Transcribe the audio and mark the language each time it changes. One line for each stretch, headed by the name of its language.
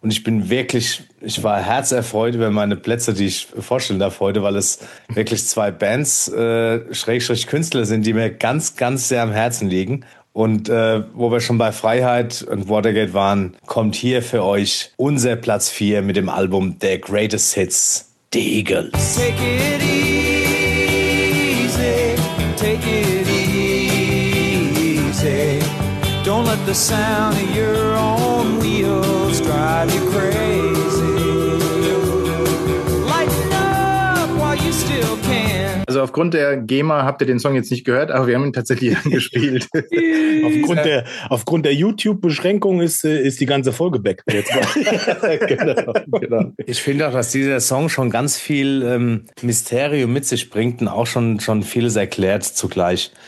German: Und ich bin wirklich, ich war herzerfreut über meine Plätze, die ich vorstellen darf heute, weil es wirklich zwei Bands, / Künstler sind, die mir ganz, ganz sehr am Herzen liegen. Und wo wir schon bei Freiheit und Watergate waren, kommt hier für euch unser Platz 4 mit dem Album Their Greatest Hits, The Eagles.
English: Take it easy, take it easy. Don't let the sound of your own wheels drive you crazy. Lighten up while you still can.
German: Also aufgrund der GEMA habt ihr den Song jetzt nicht gehört, aber wir haben ihn tatsächlich angespielt. aufgrund der YouTube-Beschränkung ist die ganze Folge back. Genau. Ich finde auch, dass dieser Song schon ganz viel Mysterium mit sich bringt und auch schon vieles erklärt zugleich.